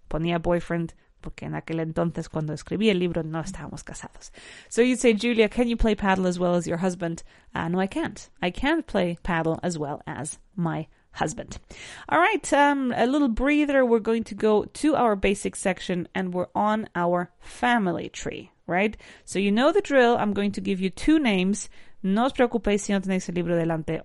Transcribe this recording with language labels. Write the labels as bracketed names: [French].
[Spanish] Ponía boyfriend porque en aquel entonces cuando escribí el libro no estábamos casados. [English] So you'd say, Julia, can you play paddle as well as your husband? No, I can't. I can't play paddle as well as my husband. All right, a little breather. We're going to go to our basic section and we're on our family tree, right? So you know the drill. I'm going to give you two names. [Spanish] No os preocupéis si no tenéis el libro delante.